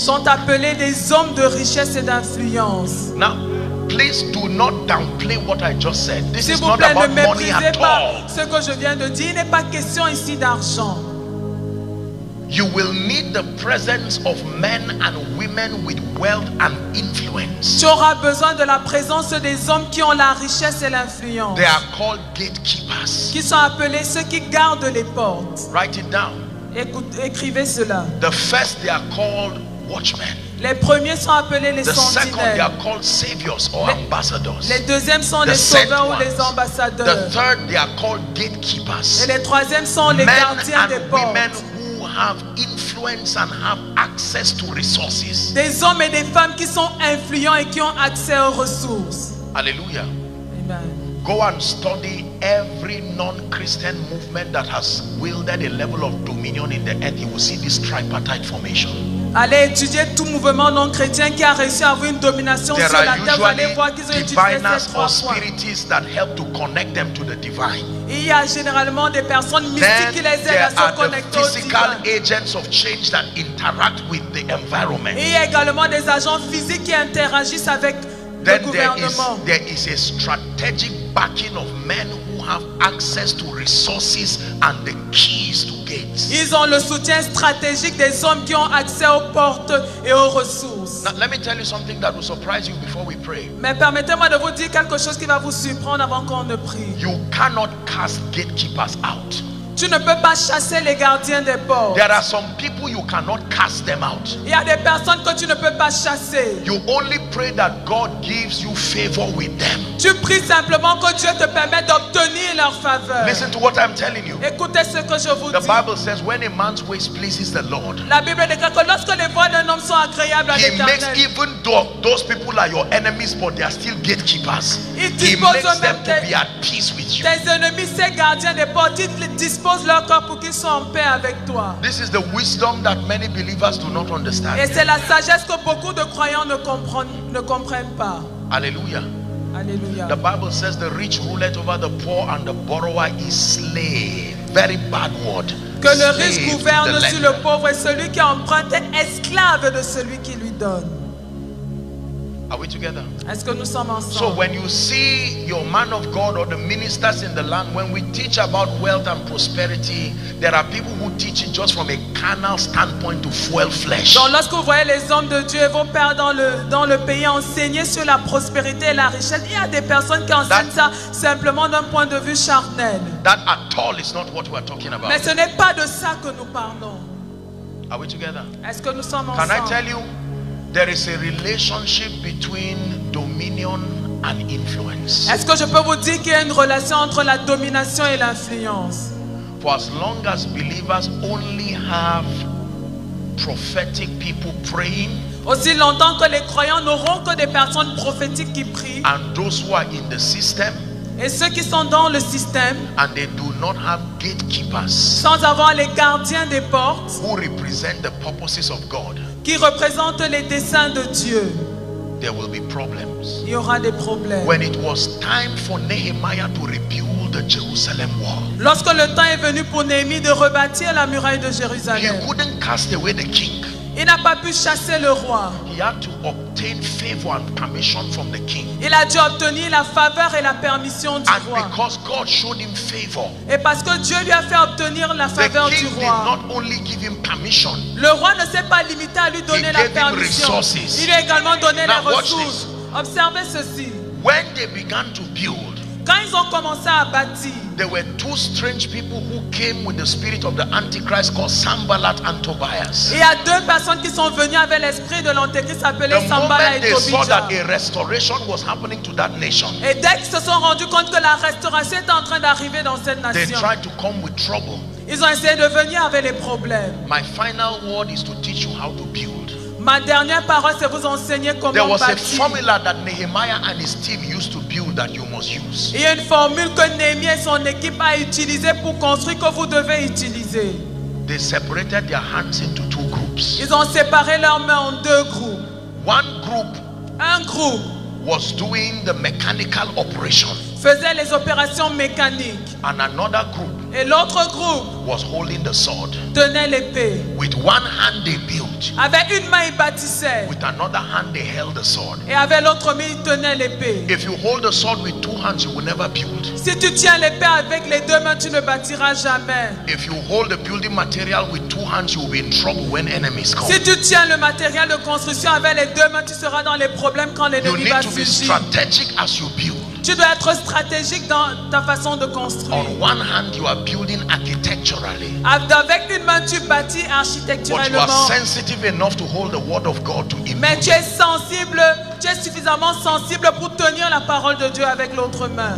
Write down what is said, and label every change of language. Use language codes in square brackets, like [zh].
[fr] Sont appelés des hommes de richesse et d'influence. [en] Now, please do not downplay what I just said. This is not about money at all. [fr] Ce que je viens de dire, il n'est pas question ici d'argent. [en] You will need the presence of men and women with wealth and influence. [fr] Tu auras besoin de la présence des hommes qui ont la richesse et l'influence. [en] They are called gatekeepers. [fr] Qui sont appelés ceux qui gardent les portes. [en] Write it down. [fr] Écrivez cela. [en] The first, they are called watchmen. [fr] Les premiers sont appelés les sentinelles. [en] The second, they are called saviors or ambassadors. [fr] Les deuxièmes sont les sauveurs ou les ambassadeurs. [en] The third, they are called gatekeepers. [fr] Et les troisièmes sont les gardiens des portes. [en] Men and women who have influence and have access to resources. [fr] Des hommes et des femmes qui sont influents et qui ont accès aux ressources. Alléluia. Amen. [en] Go and study every non-Christian movement that has wielded a level of dominion in the earth. You will see this tripartite formation. [fr] Allez étudier tout mouvement non-chrétien qui a réussi à avoir une domination [en] there [fr] sur la terre. Vous allez voir qu'ils ont utilisé ces trois points. [en] Spirits that help to connect them to the divine. [fr] Il y a généralement des personnes mystiques [en] then [fr] qui les aident à se connecter au divin. [en] There are physical agents of change that interact with the environment. [fr] Il y a également des agents physiques qui interagissent avec [en] then [fr] le gouvernement. [en] Then there is a strategic backing of men who have access to resources and the keys to gates. [fr] Ils ont le soutien stratégique des hommes qui ont accès aux portes et aux ressources. [en] Now, let me tell you something that will surprise you before we pray. [fr] Mais permettez-moi de vous dire quelque chose qui va vous surprendre avant qu'on ne prie. [en] You cannot cast gatekeepers out. [fr] Tu ne peux pas chasser les gardiens des portes. [en] There are some people you cannot cast them out. [fr] Il y a des personnes que tu ne peux pas chasser. [en] You only pray that God gives you favor with them. [fr] Tu pries simplement que Dieu te permette d'obtenir leur faveur. [en] Listen to what I'm telling you. [fr] Écoutez ce que je vous dis. [en] The Bible says when a man's ways pleases the Lord. [fr] La Bible déclare que lorsque les voies d'un homme sont agréables à l'Éternel. [en] He makes even though those people are your enemies, but they are still gatekeepers. He makes them to be at peace with you. [fr] Tes ennemis, ces gardiens des portes, pose leur corps pour qu'ils soient en paix avec toi. [en] This is the wisdom that many believers do not understand. [fr] Et c'est la sagesse que beaucoup de croyants ne comprennent pas. Alléluia. Alléluia. [en] The Bible says the rich ruleth over the poor and the borrower is slave. Very bad word. [fr] Que le riche gouverne sur le pauvre et celui qui emprunte est esclave de celui qui lui donne. [en] Are we together? [fr] Est-ce que nous sommes ensemble? [en] So when you see your man of God or the ministers in the land, when we teach about wealth and prosperity, there are people who teach it just from a carnal standpoint to fuel flesh. [fr] Donc lorsque vous voyez les hommes de Dieu et vos pères dans le pays enseigner sur la prospérité et la richesse, il y a des personnes qui enseignent [en] that, [fr] ça simplement d'un point de vue charnel. [en] That at all is not what we are talking about. [fr] Mais ce n'est pas de ça que nous parlons. [en] Are we together? [fr] Est-ce que nous sommes [en] Can [fr] ensemble? [en] Can I tell you? There is a relationship between dominion and influence. [fr] Est-ce que je peux vous dire qu'il y a une relation entre la domination et l'influence? [en] For as long as believers only have prophetic people praying, [fr] aussi longtemps que les croyants n'auront que des personnes prophétiques qui prient, [en] and those who are in the system, [fr] et ceux qui sont dans le système, [en] and they do not have gatekeepers, [fr] sans avoir les gardiens des portes, [en] who represent the purposes of God, [fr] qui représente les desseins de Dieu. [en] There will be problems. [fr] Il y aura des problèmes. [en] When it was time for Nehemiah to rebuild the Jerusalem wall. [fr] Lorsque le temps est venu pour Néhémie de rebâtir la muraille de Jérusalem. [en] He couldn't cast away the king. [fr] Il n'a pas pu chasser le roi. [en] He had to obtain favor and permission from the king. [fr] Il a dû obtenir la faveur et la permission du [en] and [fr] roi. [en] Because God showed him favor, [fr] et parce que Dieu lui a fait obtenir la faveur [en] the king [fr] du roi. [en] Did not only give him permission, [fr] le roi ne s'est pas limité à lui donner [en] he [fr] la [en] gave [fr] permission. [en] Him resources. [fr] Il lui a également donné [en] now [fr] la ressource. [en] This. [fr] Observez ceci. [en] When they began to build, [fr] Quand ils ont commencé à bâtir, [en] there were two strange people who came with the spirit of the Antichrist called Sambalat and Tobias. [fr] Il y a deux personnes qui sont venues avec l'esprit de l'Antéchrist appelé Sambalat et Tobias. [en] The moment they saw that a restoration was happening to that nation, [fr] et dès qu'ils se sont rendus compte que la restauration est en train d'arriver dans cette nation, [en] they tried to come with trouble. [fr] Ils ont essayé de venir avec les problèmes. [en] My final word is to teach you how to build. [fr] Ma dernière parole, c'est vous enseigner comment [en] There was a formula that Nehemiah and his team used to build that you must use. [fr] Il y a une formule que Nehemiah et son équipe a utilisée pour construire que vous devez utiliser. [en] They separated their hands into two groups. [fr] Ils ont séparé leurs mains en deux groupes. [en] One group, [fr] un groupe, [en] was doing the mechanical operations. [fr] Faisait les opérations mécaniques. [en] And another group, [fr] et l'autre groupe, [en] was holding the sword, [fr] tenait l'épée. [en] With one hand they built, [fr] avec une main ils bâtissaient. [en] With another hand they held the sword, [fr] et avec l'autre main ils tenaient l'épée. [en] If you hold the sword with two hands, you will never build. [fr] Si tu tiens l'épée avec les deux mains, tu ne bâtiras jamais. [en] If you hold the building material with two hands, you will be in trouble when enemies come. [fr] Si tu tiens le matériel de construction avec les deux mains, tu seras dans les problèmes quand l'ennemi va surgir. [en] You need to be strategic as you build. [fr] Tu dois être stratégique dans ta façon de construire. [en] On one hand, you are building architecturally. [fr] Avec une main, tu bâtis architecturellement. [en] But you are sensitive enough to hold the word of God to him. [fr] Mais tu es sensible, tu es suffisamment sensible pour tenir la parole de Dieu avec l'autre main.